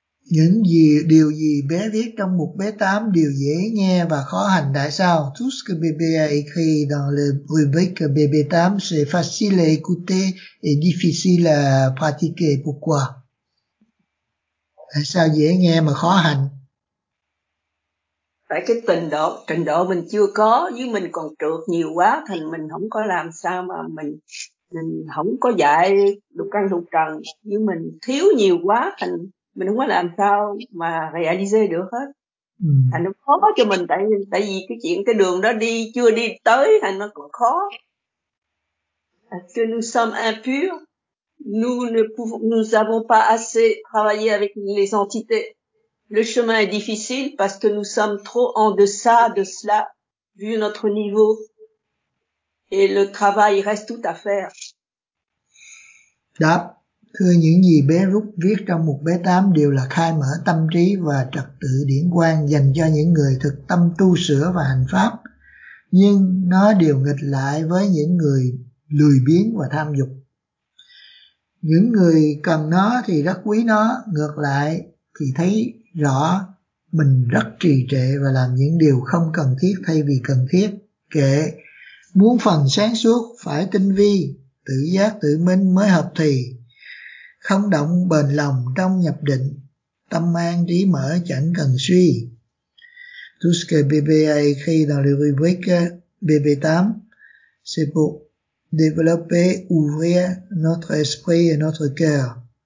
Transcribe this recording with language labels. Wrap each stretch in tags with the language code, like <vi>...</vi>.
<vi>Những gì, điều gì bé viết trong mục bé 8 đều dễ nghe và khó hành tại sao?</vi> <fr>Tout ce que bébé a écrit dans le rubrique bébé 8, c'est facile à écouter et difficile à pratiquer. Pourquoi?</fr> <vi>Tại sao dễ nghe mà khó hành? Tại cái trình độ mình chưa có, với mình còn trượt nhiều quá, thành mình không có làm sao mà mình không có dạy lục căn lục trần, với mình thiếu nhiều quá, thành mình không có làm sao mà realize được hết. Thành nó khó cho mình, tại vì cái chuyện cái đường đó đi chưa đi tới, thành nó còn khó.</vi> <fr>Que nous sommes impurs, nous avons pas assez travaillé avec les entités. Le chemin est difficile parce que nous sommes trop en deçà de cela, vu notre niveau. Et le travail reste tout à faire.</fr> <vi>Đáp, thưa những gì bé Rút viết trong mục bé 8 đều là khai mở tâm trí và trật tự điển quang dành cho những người thực tâm tu sửa và hành pháp. Nhưng nó đều nghịch lại với những người lười biếng và tham dục. Những người cần nó thì rất quý nó, ngược lại thì thấy rõ mình rất trì trệ và làm những điều không cần thiết thay vì cần thiết. Kệ, muốn phần sáng suốt phải tinh vi, tự giác tự minh mới hợp thì, không động bền lòng trong nhập định, tâm an trí mở chẳng cần suy.</vi> <fr>Tout ce que bébé a écrit dans le rubrique bébé 8, c'est pour développer, ouvrir notre esprit et notre cœur.</fr>